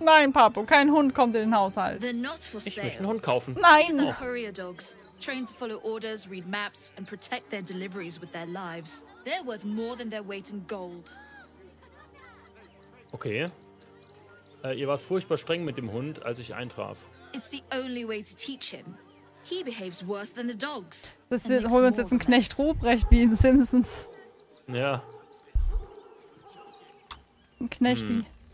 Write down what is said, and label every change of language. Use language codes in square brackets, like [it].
[de] Nein, Papo, kein Hund kommt in den Haushalt. [en] They're not for sale. [de] Ich möchte einen Hund kaufen. Nein. [en] These are courier dogs, trained to follow orders, read maps and protect their deliveries with their lives. They're worth more than their weight in gold. [de] Okay. Ihr wart furchtbar streng mit dem Hund, als ich eintraf. [en] It's the only way to teach him. He behaves worse than the dogs. [de] Das holen wir uns jetzt einen Knecht Ruprecht wie in Simpsons. Ja. Ein Knechti.